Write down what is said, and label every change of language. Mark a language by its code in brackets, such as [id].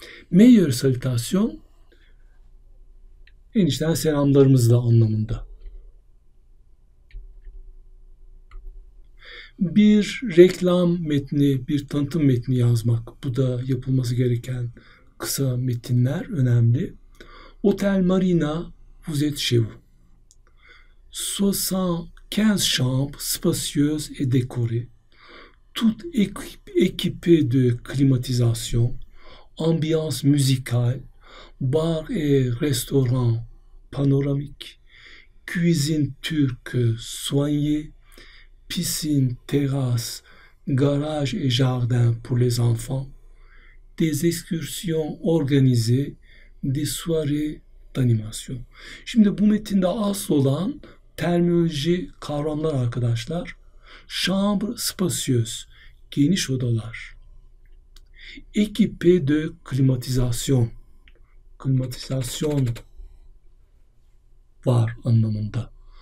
[fr] Meilleure salutation, [tr] en içten selamlarımız da anlamında. bir reklam metni, bir tanıtım metni yazmak. Bu da yapılması gereken kısa metinler önemli. [fr] Otel Marina, vous êtes chez vous. 75 chambres spacieuses et décorées. Toute équipée de climatisation, ambiance musicale, bar et restaurant panoramique, cuisine turque soignée, piscine, terrasse, garage et jardin pour les enfants, des excursions organisées, des soirées d'animation. [tr] Şimdi bu metinde asıl olan terminoloji, kavramlar arkadaşlar. [fr] Chambre spacieuse, [tr] geniş odalar. [fr] Équipée de climatisation, [tr] klimatizasyon var anlamında.